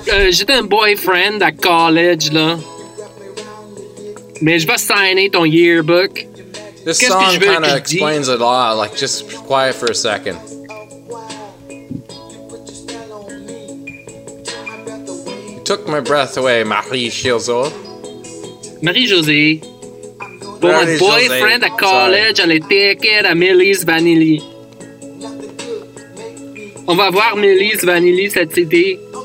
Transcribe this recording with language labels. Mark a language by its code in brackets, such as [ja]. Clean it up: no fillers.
[fr] j'étais un boyfriend à college, là. Mais je vais signer ton yearbook. [en] This song kind of explains it all. Like, just quiet for a second. You took my breath away, Marie-Josée. Marie-Josée. [fr] Pour un boyfriend à college, elle était écrite à Millie's Vanilli. On va voir Millie's Vanilli cette été.